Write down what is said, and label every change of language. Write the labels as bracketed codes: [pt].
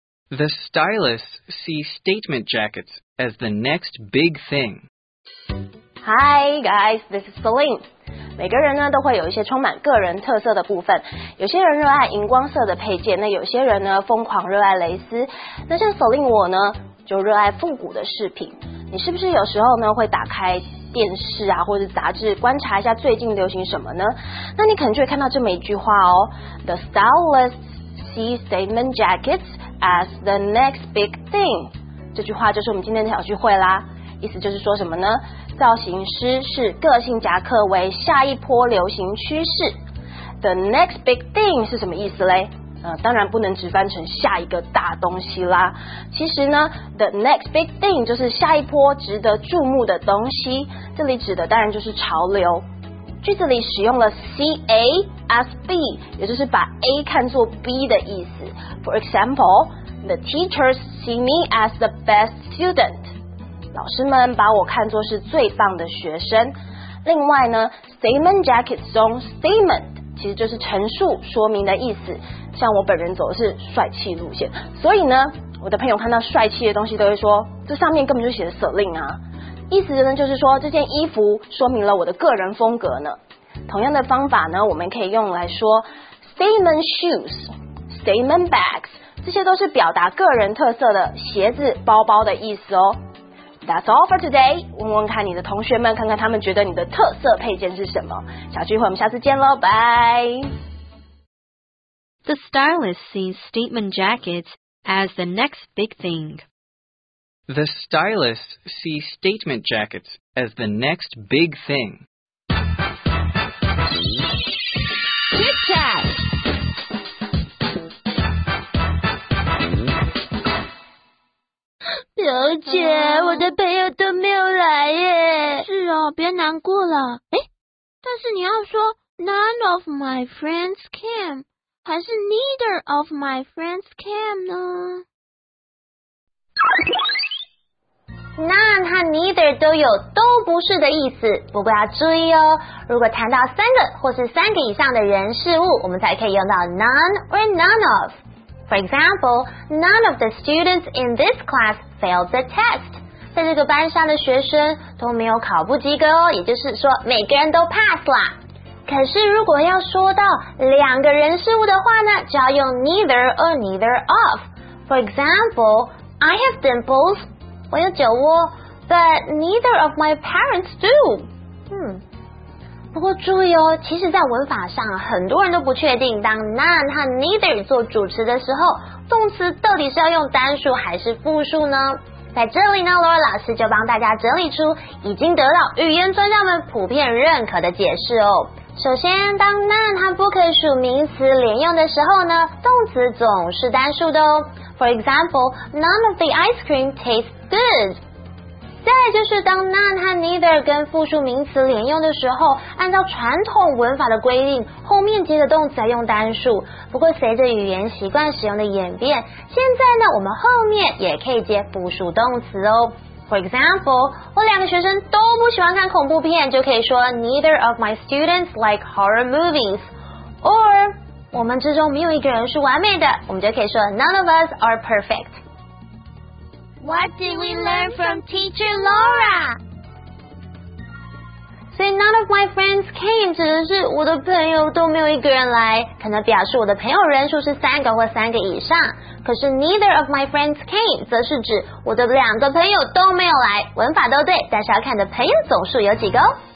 [en] The stylist sees statement jackets as the next big thing. Hi guys, this is Celine. [zh] 每个人呢都会有一些充满个人特色的部分，有些人热爱荧光色的配件，那有些人呢疯狂热爱蕾丝，那像 Celine 我呢就热爱复古的饰品。你是不是有时候呢会打开电视啊或者杂志观察一下最近流行什么呢？那你可能就会看到这么一句话哦， [en] The stylist sees statement jackets as the next big thing。 [zh] 这句话就是我们今天的小聚会啦，意思就是说什么呢？造型师是个性夹克为下一波流行趋势。 [en] The next big thing [zh] 是什么意思嘞？当然不能直翻成下一个大东西啦。其实呢 [en] The next big thing [zh] 就是下一波值得注目的东西，这里指的当然就是潮流。句子里使用了 CA as B， 也就是把 A 看作 B 的意思。 [en] For example, The teachers see me as the best student， [zh] 老师们把我看作是最棒的学生。另外呢 statement jackets 中 statement 其实就是陈述说明的意思，像我本人走的是帅气路线，所以呢我的朋友看到帅气的东西都会说这上面根本就写了 Celine 啊，意思呢就是说这件衣服说明了我的个人风格呢。同样的方法呢我们可以用来说 [en] statement shoes statement bags， [zh] 这些都是表达个人特色的鞋子包包的意思哦。 [en] That's all for today. [zh] 问问看你的同学们，看看他们觉得你的特色配件是什么。小聚会，我们下次见喽，拜。 [en] The stylist sees statement jackets as the next big thing. The stylist sees statement jackets as the next big thing. Chit chat. [zh] 刘姐，我的朋友都没有来耶。是哦，别难过了。哎，但是你要说 [en] none of my friends came， [zh] 还是 [en] neither of my friends came [zh] 呢？ None 和 neither 都有都不是的意思，不过要注意哦，如果谈到三个或是三个以上的人事物，我们才可以用到 none or none of。 [en] For example, none of the students in this class failed the test. [zh] 在这个班上的学生都没有考不及格哦，也就是说每个人都 pass 啦。可是如果要说到两个人事物的话呢，就要用 neither or neither of. [en] For example, I have dimples, [zh] 我有酒窝， [en] but neither of my parents do. [zh] 不过注意哦，其实在文法上很多人都不确定当 none 和 neither 做主词的时候，动词到底是要用单数还是复数呢？在这里呢 Laura 老师就帮大家整理出已经得到语言专家们普遍认可的解释哦。首先当 none 和 book 属名词连用的时候呢，动词总是单数的哦。 [en] For example, none of the ice cream tastes good。 [zh] 再来就是当 none 和 neither 跟复数名词连用的时候，按照传统文法的规定，后面接的动词要用单数。不过随着语言习惯使用的演变，现在呢，我们后面也可以接复数动词哦。 For example, 我两个学生都不喜欢看恐怖片，就可以说 [en] neither of my students like horror movies. [zh] Or 我们之中没有一个人是完美的，我们就可以说 [en] none of us are perfect. What did we learn from Teacher Laura? So none of my friends came [zh] 指的是我的朋友都没有一个人来，可能表示我的朋友人数是三个或三个以上。可是 [en] neither of my friends came [zh] 则是指我的两个朋友都没有来，文法都对，但是要看的朋友总数有几个哦。